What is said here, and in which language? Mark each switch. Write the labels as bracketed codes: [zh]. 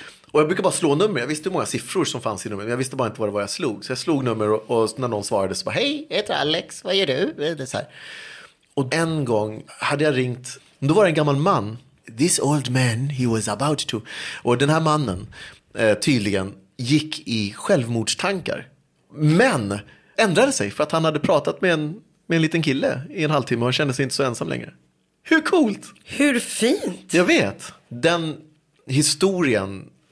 [sv] Och jag brukade bara slå nummer. Jag visste hur många siffror som fanns i numret, men jag visste bara inte vad jag slog. Så jag slog nummer och när någon svarade så bara, hej, jag heter Alex, vad gör du? Det är så här. Och en gång hade jag ringt, då var det en gammal man. [en] This old man, he was about to. [sv] Och den här mannen tydligen gick i självmordstankar. Men ändrade sig för att han hade pratat med en liten kille i en halvtimme och han kände sig inte så ensam längre. Hur coolt! Hur fint! Jag vet. Den historien